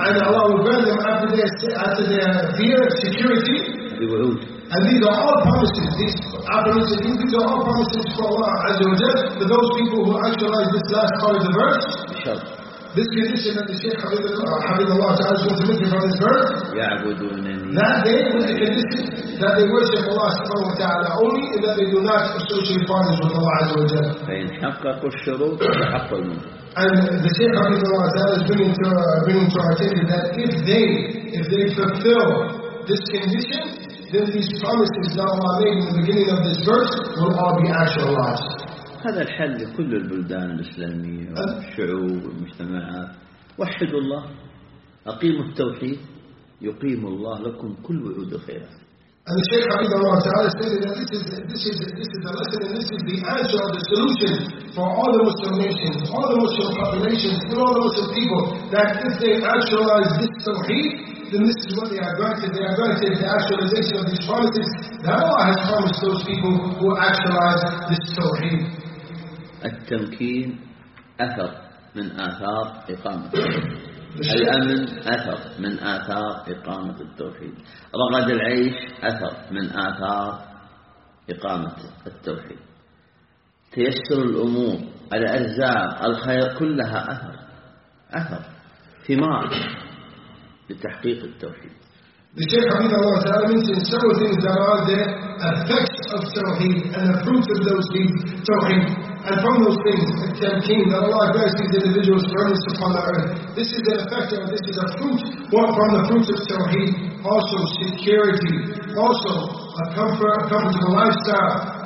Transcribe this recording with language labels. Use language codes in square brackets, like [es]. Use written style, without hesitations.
[en] and Allah will grant them after their fear security and these are all promises these are all promises for Allah Azza wa Jal to those people who actualize this last part of the verse this condition that the Shaykh Habibullah Ta'ala is going to mention from this verse that they with the condition that they worship Allah subhanahu wa ta'ala only and that they do not associate partners with Allah Azza wa Jal [ar] فإن حقق الشروط فحق المنى [en] and the Shaykh Habibullah Ta'ala is bringing to our attention that if they fulfill this condition then these promises that Allah made in the beginning of this verse will all be actualized. [ar] هذا الحل لكل البلدان الإسلامية والشعوب والمجتمعات وحدوا الله أقيموا التوحيد يقيم الله لكم كل وعود الخير. [en] And the Shaykh Habib Allah Ta'ala said that this is the lesson and this is the answer of the solution for all the Muslim nations, all the Muslim populations, and all the Muslim people that if they actualize this tawheed, then this is what they are granted. They are granted the actualization of these promises that Allah has promised those people who actualize this tawheed. [ar] التمكين أثر من آثار إقامة الأمن أثر من آثار إقامة التوحيد رغد العيش أثر من آثار إقامة التوحيد تيسر الأمور الأرزاق الخير كلها أثر ثمار لتحقيق التوحيد [en] The Shaykh Habib Allah Ta'ala mentioned several things that are the effects of Tawheed and the fruits of those things, Tawheed. And from those things, the Tawheed, that Allah grants these individuals firmness upon the earth. This is an effect of, this is a fruit, what from the fruits of Tawheed, also security, also a comfort, a comfortable lifestyle.